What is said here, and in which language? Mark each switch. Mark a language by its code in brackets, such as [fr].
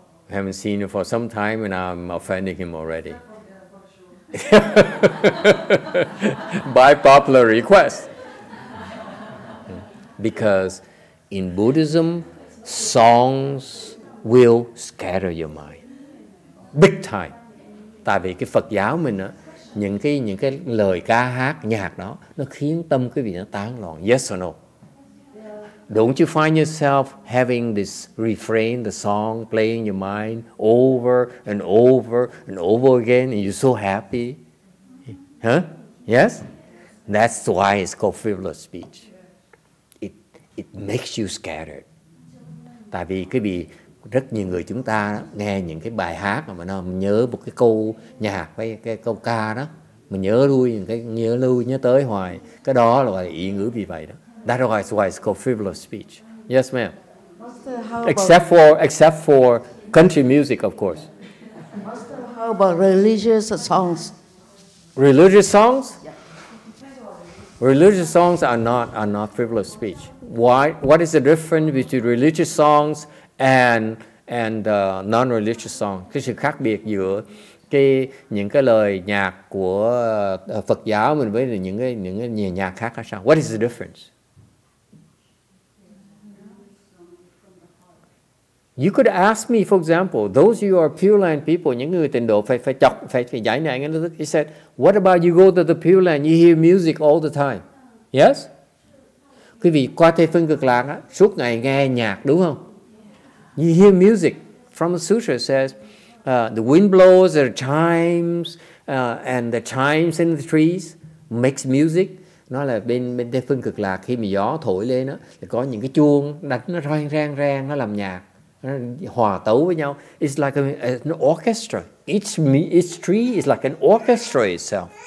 [en] I haven't seen you for some time and I'm offending him already. By popular request. Because in Buddhism, songs will scatter your mind. Big time. [vi] Tại vì cái Phật giáo mình á, những cái lời ca hát, nhạc đó, nó khiến tâm quý vị nó tán loạn. [en] Yes or no? Don't you find yourself having this refrain, the song playing in your mind over and over and over again, and you're so happy? Huh? Yes? That's why it's called frivolous speech. It makes you scattered. [vi] Tại vì cái bị rất nhiều người chúng ta đó, nghe những cái bài hát mà nó nhớ một cái câu nhạc với cái câu ca đó, mình nhớ tới hoài, cái đó là gọi là ý ngữ vì vậy đó. [en] That is why it's called frivolous speech. Yes, ma'am. Except for country music, of course. How about religious songs? Religious songs? Religious songs are not frivolous speech. Why? What is the difference between religious songs and non-religious songs? [vi] Cái sự khác biệt giữa cái những cái lời nhạc của Phật giáo mình với những cái nhà nhạc khác là sao? [en] What is the difference? You could ask me, for example, those who are Pure Land people, [vi] những người tịnh độ phải giải này anh ấy. [en] He said, "What about you go to the Pure Land? You hear music all the time, yes?" [vi] Quý vị qua Tây Phương Cực Lạc á, suốt ngày nghe nhạc đúng không? [en] You hear music. From the sutra says, the wind blows, there are chimes, and the chimes in the trees makes music. [vi] Nó là bên Tây Phương Cực Lạc, khi mà gió thổi lên á, thì có những cái chuông đánh nó rang rang rang, nó làm nhạc, hòa tấu với nhau. [en] It's like an orchestra. Each tree is like an orchestra itself.